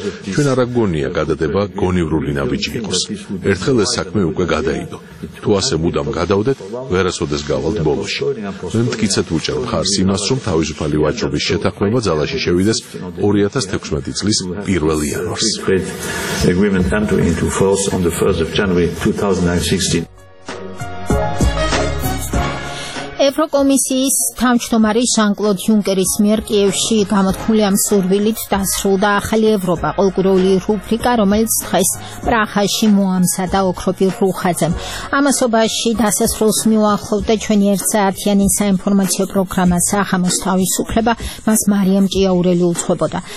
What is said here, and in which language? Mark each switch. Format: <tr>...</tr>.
<ka>ჩვენ არ აგონია გადადება გონივრული ნაბიჯი იყოს. ერთხელ ეს საქმე უკვე გადაიდო. თუ ასე მუდამ გადავდეთ, ვერასოდეს გავალთ ბოლოში. მე მткиცეთ უჭერ მხარს იმას, რომ თავისუფალი ვაჭრობის შეთანხმება ძალაში შევიდეს 2016 წლის 1 იანვარს.</ka> <en>Into force on the 1st of January 2016.</en> <ka>ევროკომისიის თავმჯდომარის ჟან-კლოდ იუნკერის მიერ კიევში გამოთქმული ამ სურვილით დასრულდა ახალი ევროპა, ყოველკვირეული რუბრიკა, რომელიც დღეს პრაღაში მოამზადა ოქროპირ რუხაზე. ამასობაში დასასრულს მიუახლოვდა ჩვენი ერთსაათიანი საინფორმაციო პროგრამა „სახამოს თავისუფლება“, მას მარიამ ჭიაურელი უძღვებოდა.</ka>